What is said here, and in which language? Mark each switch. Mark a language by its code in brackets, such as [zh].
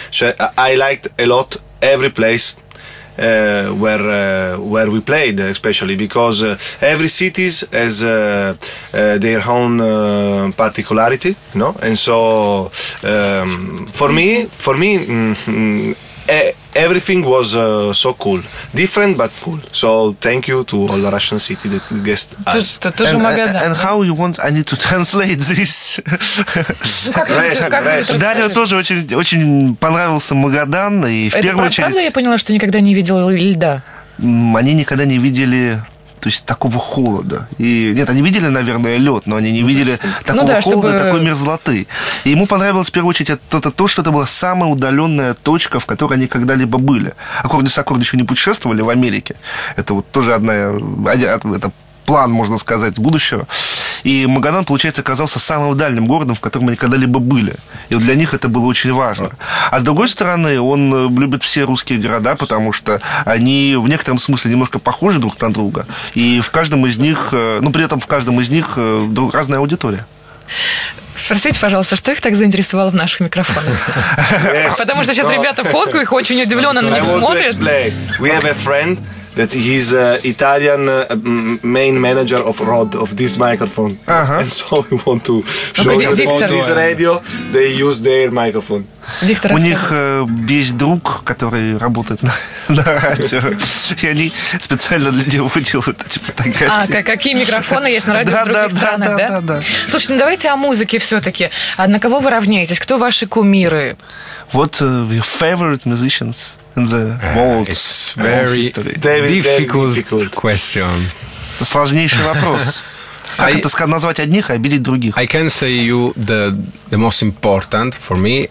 [en] So I liked a lot every place where we played, especially because every city has their own particularity, you know. And so for me everything was so cool. Different, but cool. So thank you to all the Russian city that guest us. And how you want, I need to translate this. [ru] Дарио тоже очень понравился Магадан. И в первую очередь... Это правда, я поняла, что никогда не видел льда? Они никогда не видели... То есть такого холода. И, нет, они видели, наверное, лед, но они не видели такого холода, чтобы... такой мерзлоты. И ему понравилось в первую очередь то, что это была самая удаленная точка, в которой они когда-либо были. Аккорди Дисаккорди еще не путешествовали в Америке. Это вот тоже это план, можно сказать, будущего. И Магадан, получается, оказался самым дальним городом, в котором они когда-либо были. И для них это было очень важно. А с другой стороны, он любит все русские города, потому что они в некотором смысле немножко похожи друг на друга. И в каждом из них, ну, при этом в каждом из них разная аудитория. Спросите, пожалуйста, что их так заинтересовало в наших микрофонах? Yes, потому что сейчас ребята фоткают, их очень удивленно на них смотрят. [en] We have a friend that he's Italian main manager of Rod, of this microphone. Uh-huh. And so we want to show him on this radio, they use their microphone. [ru] Виктор, у них есть друг, который работает на радио, и они специально для него делают эти фотографии. Какие микрофоны есть на радио в других странах, да? Да. Слушайте, ну давайте о музыке все-таки. А на кого вы равняетесь? Кто ваши кумиры? [en] What your favorite musicians in the world? It's very difficult question. [ru] Это сложнейший вопрос. Как это сказать, назвать одних и обидеть других? [en] I can say you the most important for me.